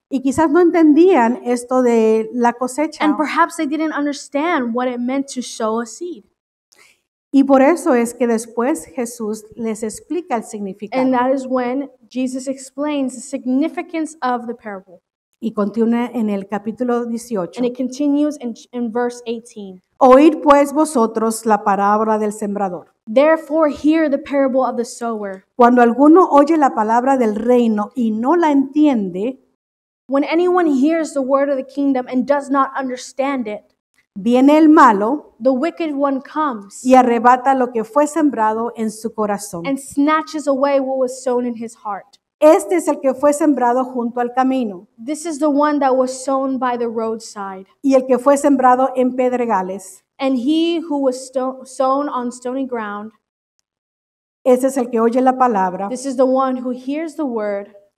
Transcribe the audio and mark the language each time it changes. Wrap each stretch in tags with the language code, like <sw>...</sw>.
<es>y quizás no entendían esto de la cosecha,</es> <en>and perhaps they didn't understand what it meant to sow a seed.</en> <es>Y por eso es que después Jesús les explica el significado.</es> <en>And that is when Jesus explains the significance of the parable.</en> <es>Y continúa en el capítulo 18.</es> <en>And it continues in verse 18.</en> <es>Oíd pues vosotros la palabra del sembrador.</es> <en>Therefore hear the parable of the sower.</en> <es>Cuando alguno oye la palabra del reino y no la entiende.</es> <en>When anyone hears the word of the kingdom and does not understand it.</en> <es>Viene el malo,</es> <en>the wicked one comes,</en> <es>y arrebata lo que fue sembrado en su corazón,</es> <en>and snatches away what was sown in his heart.</en> <es>Este es el que fue sembrado junto al camino.</es> <en>This is the one that was sown by the roadside.</en> <es>Y el que fue sembrado en pedregales.</es> <en>And he who was sown on stony ground.</en> <es>Este es el que oye la palabra.</es> <en>This is the one who hears the word.</en>